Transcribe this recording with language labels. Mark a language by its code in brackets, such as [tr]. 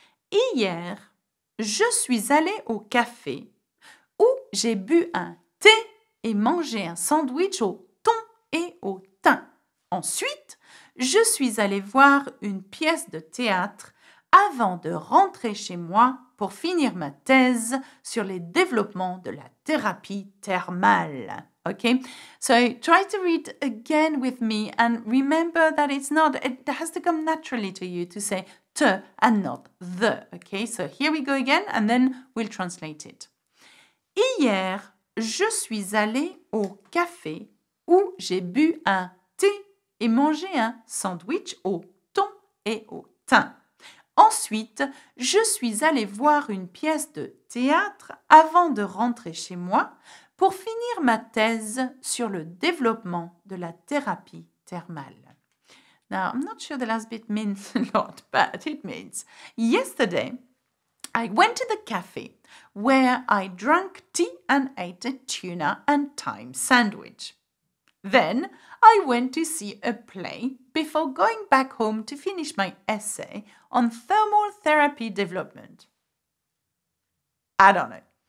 [fr] Hier, je suis allée au café où j'ai bu un thé et mangé un sandwich au thon et au thym. Ensuite, je suis allée voir une pièce de théâtre avant de rentrer chez moi pour finir ma thèse sur les développements de la thérapie thermale. [en] Okay, so try to read again with me and remember that it's not, it has to come naturally to you to say T and not the, okay? So here we go again and then we'll translate it. [fr] Hier, je suis allée au café où j'ai bu un thé et mangé un sandwich au thon et au thym. Ensuite, je suis allée voir une pièce de théâtre avant de rentrer chez moi pour finir ma thèse sur le développement de la thérapie thermale. [en] Now, I'm not sure the last bit means a lot, but it means yesterday I went to the cafe where I drank tea and ate a tuna and thyme sandwich. Then I went to see a play before going back home to finish my essay on thermal therapy development. I don't know.